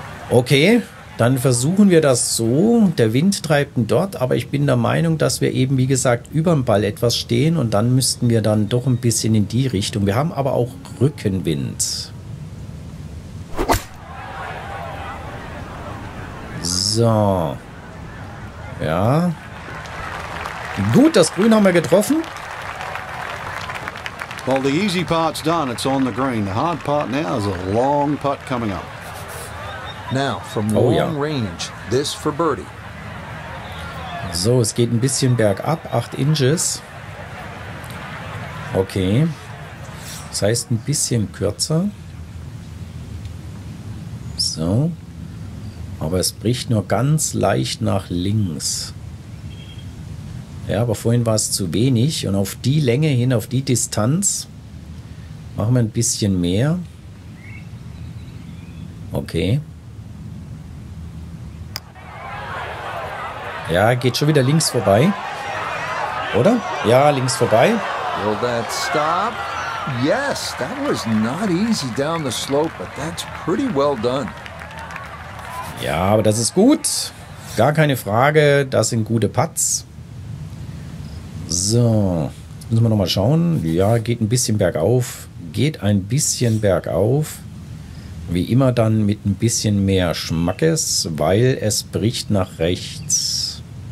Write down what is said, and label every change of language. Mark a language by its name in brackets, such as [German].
[German] Okay, dann versuchen wir das so. Der Wind treibt ihn dort, aber ich bin der Meinung, dass wir eben, wie gesagt, über dem Ball etwas stehen und dann müssten wir dann doch ein bisschen in die Richtung. Wir haben aber auch Rückenwind. So. Ja. Gut, das Grün haben wir getroffen. [English] Well, the easy part's done. It's on the green. The hard part now is a long putt coming up. Now from long range, this for birdie. [German] So, es geht ein bisschen bergab, [English] 8 inches. [German] Okay. Das heißt ein bisschen kürzer. So. Aber es bricht nur ganz leicht nach links. Ja, aber vorhin war es zu wenig und auf die Länge hin, auf die Distanz machen wir ein bisschen mehr. Okay. Ja, geht schon wieder links vorbei. Oder? Ja, links vorbei. [English] Will that stop? Yes, that was not easy down the slope, but that's pretty well done. [German] Ja, aber das ist gut. Gar keine Frage, das sind gute Putts. So, müssen wir nochmal schauen. Ja, geht ein bisschen bergauf. Geht ein bisschen bergauf. Wie immer dann mit ein bisschen mehr Schmackes, weil es bricht nach rechts.